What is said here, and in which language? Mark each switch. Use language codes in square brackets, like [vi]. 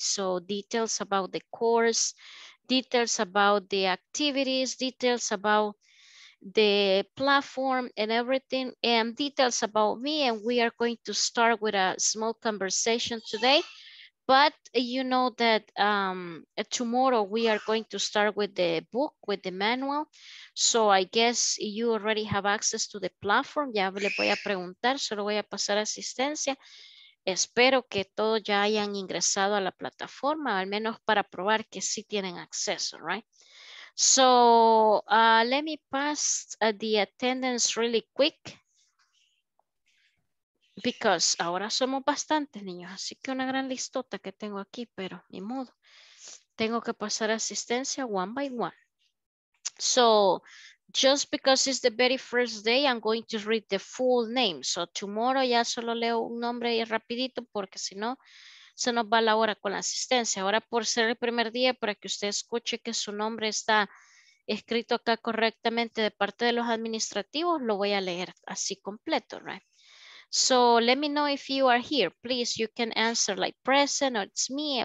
[en] So details about the course, details about the activities, details about the platform and everything, and details about me. And we are going to start with a small conversation today. But you know that tomorrow we are going to start with the book, with the manual. So I guess you already have access to the platform. [es] Ya le voy a preguntar, solo voy a pasar asistencia. Espero que todos ya hayan ingresado a la plataforma, al menos para probar que sí tienen acceso, [en] right? So let me pass the attendance really quick. Because [es] ahora somos bastantes niños, así que una gran listota que tengo aquí, pero ni modo. Tengo que pasar asistencia [en] one by one. So just because it's the very first day, I'm going to read the full name. So tomorrow [es] ya solo leo un nombre y rapidito porque si no, se nos va la hora con la asistencia. Ahora por ser el primer día, para que usted escuche que su nombre está escrito acá correctamente de parte de los administrativos, lo voy a leer así completo, right? [en] So let me know if you are here. Please, you can answer like present or it's me.